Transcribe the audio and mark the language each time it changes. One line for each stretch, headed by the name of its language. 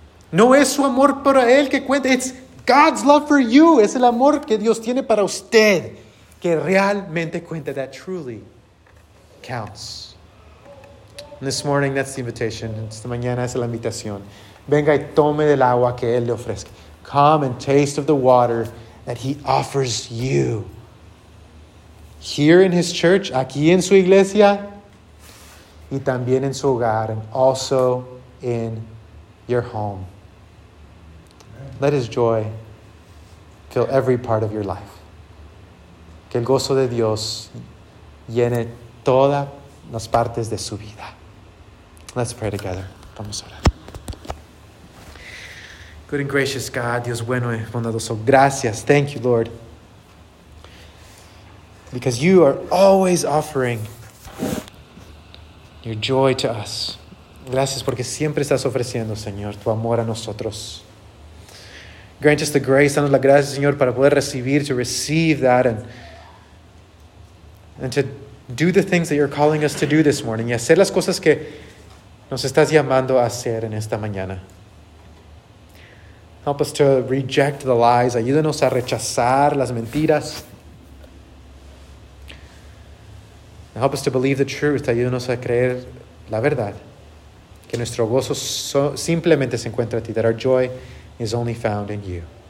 Spanish: No es su amor para él que cuenta.
English: It's God's love for you.
Spanish: Es el amor que Dios tiene para usted que realmente cuenta.
English: That truly counts. And this morning, that's the invitation.
Spanish: Esta mañana es la invitación. Venga y tome del agua que él le ofrezca.
English: Come and taste of the water that he offers you. Here in his church,
Spanish: aquí en su iglesia, y también en su hogar,
English: and also in your home. Let his joy fill every part of your life.
Spanish: Que el gozo de Dios llene todas las partes de su vida.
English: Let's pray together.
Spanish: Vamos a orar.
English: Good and gracious God,
Spanish: Dios bueno y bondadoso. Gracias.
English: Thank you, Lord. Because you are always offering your joy to us.
Spanish: Gracias porque siempre estás ofreciendo, Señor, tu amor a nosotros.
English: Grant us the grace,
Spanish: danos la gracia, Señor, para poder recibir,
English: to receive that and to do the things that you're calling us to do this morning.
Spanish: Y hacer las cosas que nos estás llamando a hacer en esta mañana.
English: Help us to reject the lies.
Spanish: Ayúdanos a rechazar las mentiras.
English: And help us to believe the truth.
Spanish: Ayúdanos a creer la verdad. Que nuestro gozo simplemente se encuentra en ti.
English: That our joy is only found in you.